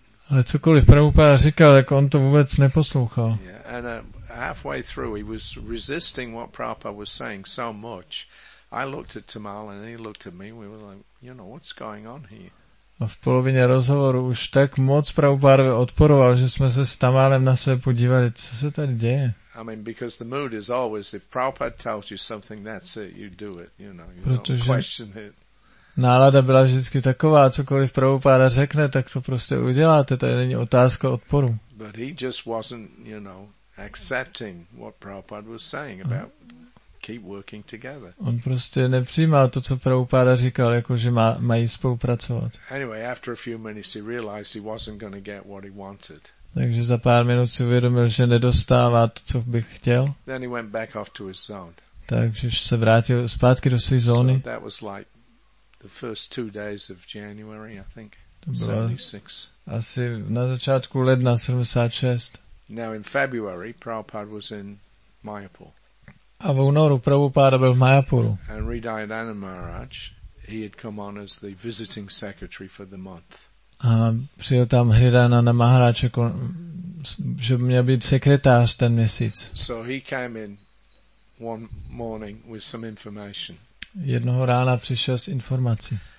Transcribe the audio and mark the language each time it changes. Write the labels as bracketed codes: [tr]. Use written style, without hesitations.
[cs] Ale cokoliv Prabhupada říkal, jako on to vůbec neposlouchal. [en] Halfway through, he was resisting what Prabhupada was saying so much. I looked at Tamal and he looked at me. We were like, you know, what's going on here? [cs] A v polovině rozhovoru už tak moc Prabhupada odporoval, že jsme se s Tamalem na sebe podívali, co se tady děje. [en] I mean, because the mood is always, if Prabhupada tells you something, that's it, you do it. You know, you don't question it. [cs] Nálada byla vždycky taková, cokoliv Prabhupada řekne, tak to prostě uděláte. Tady není otázka odporu. [en] But he just wasn't, you know, accepting what Prabhupada was saying about keep working together. [cs] On prostě nepřijímal to, co Prabhupada říkal, jako že mají spolupracovat. [en] Anyway, after a few minutes he realized he wasn't going to get what he wanted. [cs] Takže za pár minut si uvědomil, že nedostává to, co bych chtěl. [en] Then he went back off to his zone. [cs] Takže se vrátil zpátky do své zóny. [en] So that was like the first 2 days of January, I think. 76. [cs] Asi na začátku ledna 76. [en] Now in February, Prabhupada was in Mayapur. [cs] A v únoru Prabhupada byl v Mayapuru. [en] And Hridayananda Maharaj, he had come on as the visiting secretary for the month. [cs] A přijel tam Hridayananda Maharaj, jako, že měl být sekretář ten měsíc. [en] So he came in one morning with some information. [cs] Jednoho rána přišel s informací.